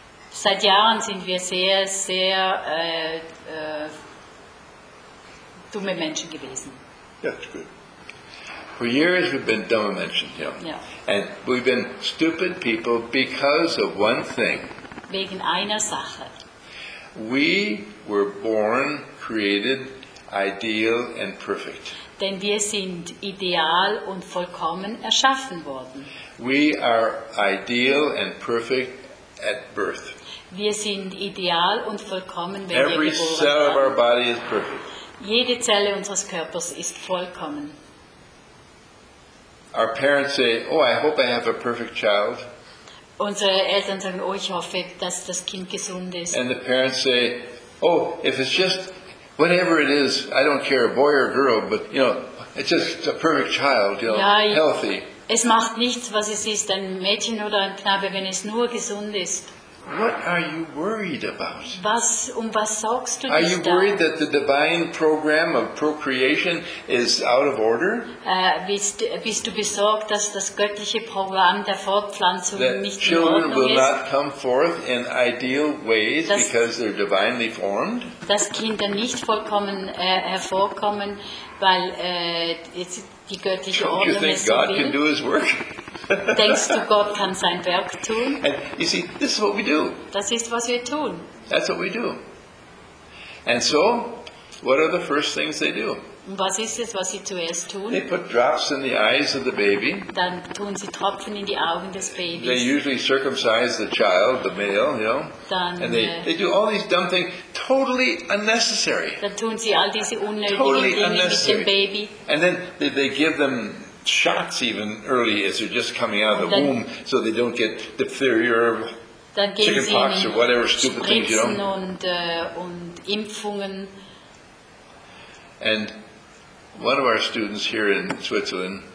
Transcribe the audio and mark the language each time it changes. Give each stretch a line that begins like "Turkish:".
German: Seit Jahren sind wir sehr, sehr dumme Menschen gewesen.
English: That's good. For years we've been
German: dumme Menschen,
English: yeah. Yeah. And we've been stupid people because of one thing.
German: Wegen einer Sache.
English: We were born, created, ideal and perfect.
German: Denn wir sind ideal und vollkommen erschaffen worden.
English: We are ideal and perfect at birth.
German: Wir sind ideal und vollkommen, wenn
English: Every
German: wir geboren
English: cell
German: werden.
English: Of our body is perfect.
German: Jede Zelle unseres Körpers ist vollkommen.
English: Our parents say, "Oh, I hope I have a perfect child."
German: Unsere Eltern sagen, "Oh, ich hoffe, dass das Kind gesund ist."
English: And the parents say, "Oh, if it's just whatever it is, I don't care, boy or girl, but you know, it's just a perfect child, you know,
German: ja,
English: healthy.
German: Es macht nichts, was es ist, ein Mädchen oder ein Knabe, wenn es nur gesund ist.
English: What are you worried about?
German: Was, was sorgst du dich
English: da? Are you worried that the divine program of procreation is out of order?
German: Bist du besorgt, dass das göttliche Programm der Fortpflanzung nicht in Ordnung ist?
English: Children will not come forth in ideal ways because they're divinely formed?
German: Dass Kinder nicht vollkommen hervorkommen, weil die göttliche Ordnung es so will?
English: Don't you think God can do his work?
German: Denkst du, Gott kann sein Werk tun?
English: And you see, this is what we do.
German: Das ist, was wir tun.
English: That's what we do. And so, what are the first things they do?
German: Was ist es, was sie zuerst tun?
English: They put drops in the eyes of the baby.
German: Dann tun sie Tropfen in die Augen des Babys.
English: They usually circumcise the child, the male, you know.
German: Dann,
English: and they do all these dumb things, totally unnecessary.
German: Dann tun sie all diese unnötigen totally Dinge mit dem Baby.
English: And then they give them shots even early as they're just coming out of the womb so they don't get diphtheria or chickenpox or whatever stupid things, you know.
German: Und Impfungen.
English: And one of our students here in Switzerland,